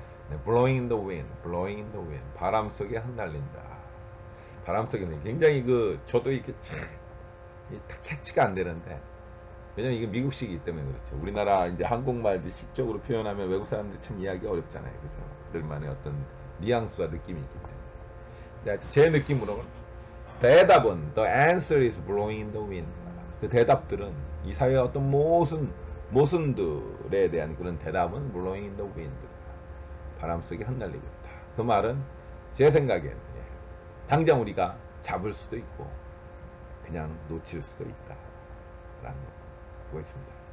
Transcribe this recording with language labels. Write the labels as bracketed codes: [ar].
[en] 네, blowing in the wind, blowing in the wind. [ko] 바람 속에 흩날린다. 바람 속에는 굉장히 그, 저도 이렇게 참, 딱 캐치가 안 되는데, 왜냐면 이게 미국식이기 때문에 그렇죠. 우리나라 이제 한국말도 시적으로 표현하면 외국 사람들이 참 이해하기 어렵잖아요. 그죠? 그들만의 어떤 뉘앙스와 느낌이 있기 때문에. 근데 제 느낌으로는, 대답은, [en] the answer is blowing in the wind. [ko] 그 대답들은, 이 사회의 어떤 모순들에 대한 그런 대답은 [en] blowing in the wind. [ko] 바람 속에 흩날리고 있다. 그 말은 제 생각에는 예, 당장 우리가 잡을 수도 있고 그냥 놓칠 수도 있다라는 거 보고 있습니다.